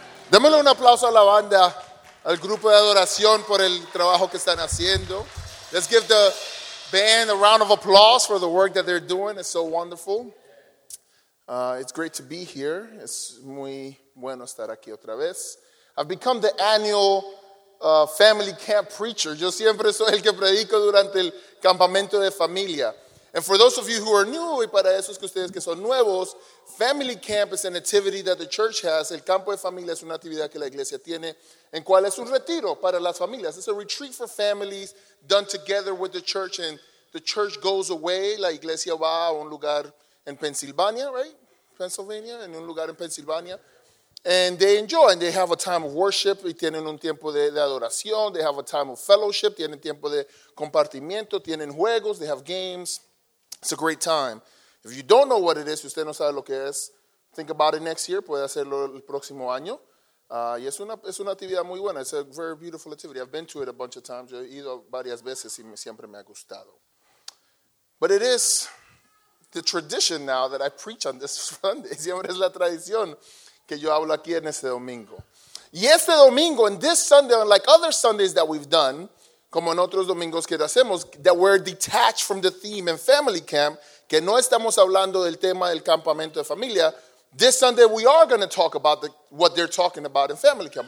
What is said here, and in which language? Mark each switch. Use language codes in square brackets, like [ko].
[es] Démosle un aplauso a la banda, al grupo de adoración por el trabajo que están haciendo. [en] Let's give the band a round of applause for the work that they're doing. It's so wonderful. It's great to be here. [es] Es muy bueno estar aquí otra vez. [en] I've become the annual family camp preacher. [es] Yo siempre soy el que predico durante el campamento de familia. [en] And for those of you who are new, [es] y para esos que ustedes que son nuevos, [en] family camp is an activity that the church has. [es] El campo de familia es una actividad que la iglesia tiene, en cual es un retiro para las familias. [en] It's a retreat for families done together with the church, and the church goes away. [es] La iglesia va a un lugar en Pennsylvania, [en] right? [es] Pennsylvania, en un lugar en Pennsylvania. [en] And they enjoy, and they have a time of worship, [es] y tienen un tiempo de adoración, [en] they have a time of fellowship, [es] tienen tiempo de compartimiento, tienen juegos, [en] they have games. It's a great time. If you don't know what it is, [es] usted no sabe lo que es, [en] think about it next year, [es] puede hacerlo el próximo año. Y es una actividad muy buena, [en] it's a very beautiful activity. I've been to it a bunch of times, [es] yo he ido varias veces y siempre me ha gustado. [en] But it is the tradition now that I preach on this Sunday. [es] Siempre es la tradición que yo hablo aquí en este domingo. Y este domingo, [en] and this Sunday, unlike other Sundays that we've done, [es] como en otros domingos que hacemos, [en] that we're detached from the theme in family camp, [es] que no estamos hablando del tema del campamento de familia, [en] this Sunday we are going to talk about what they're talking about in family camp.